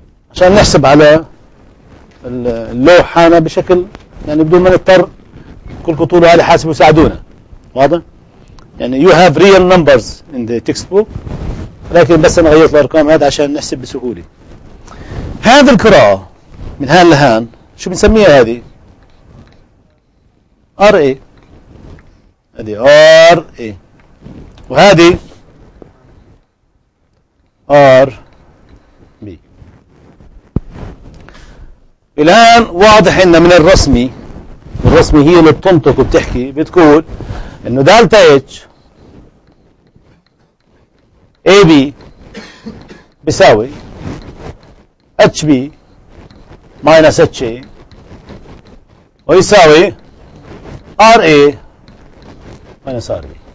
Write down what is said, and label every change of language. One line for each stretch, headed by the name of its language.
Arabic: عشان نحسب على اللوحة أنا بشكل يعني بدون ما نضطر كلكم طولوا على حاسب وساعدونا واضح؟ يعني
English: you have real numbers in the textbook
Arabic: لكن بس أنا غيرت الأرقام هذا عشان نحسب بسهولة. هذا القراءة من هان لهان شو بنسميها هذه؟ RA. هذه RA وهذه R B. الآن واضح إن من الرسمي الرسمي هي اللي بتنطق وبتحكي بتقول إنه دالتا H A B بيساوي H B minus H A ويساوي R A minus R B.